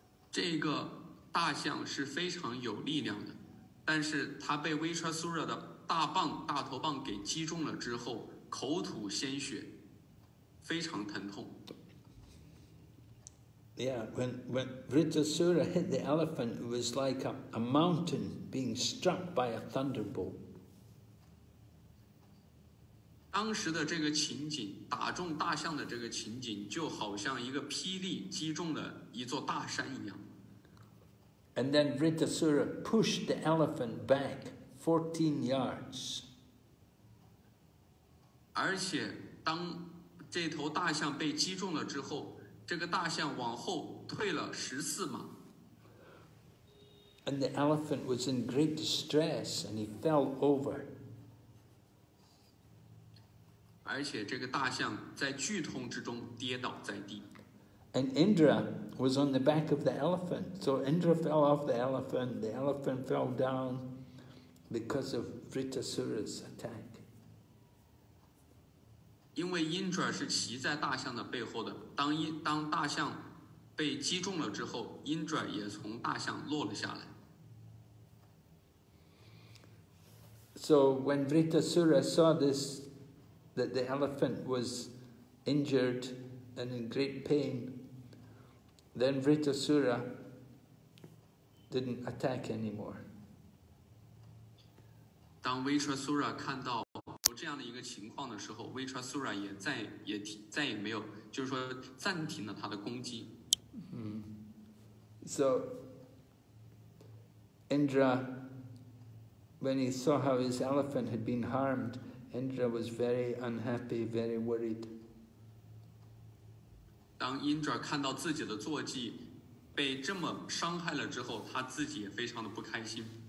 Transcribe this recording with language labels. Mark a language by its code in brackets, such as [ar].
[zh] 这个大象是非常有力量的，但是它被Vritasura的大头棒给击中了之后，口吐鲜血，非常疼痛。 [en] Yeah, when Vritasura hit the elephant, it was like a mountain being struck by a thunderbolt. [zh] 当时的这个情景，打中大象的这个情景，就好像一个霹雳击中了一座大山一样。 [en] And then Vritasura pushed the elephant back 14 yards. [zh] 而且当这头大象被击中了之后，这个大象往后退了14码。 [en] And the elephant was in great distress, and he fell over. [zh] 而且这个大象在剧痛之中跌倒在地。 [en] And Indra was on the back of the elephant. So Indra fell off the elephant fell down because of Vritasura's attack. [zh] 因为 Indra 是骑在大象的背后的，当大象被击中了之后， Indra 也从大象落了下来。 [en] So when Vritasura saw this, that the elephant was injured and in great pain,Then Vritasura didn't attack anymore. [zh] 当 Vritasura 看到有这样的一个情况的时候 ，Vritasura 也再也没有，就是说暂停了他的攻击。 [en] So Indra, when he saw how his elephant had been harmed, Indra was very unhappy, very worried. [zh] 当 Indra 看到自己的坐骑被这么伤害了之后，他自己也非常的不开心。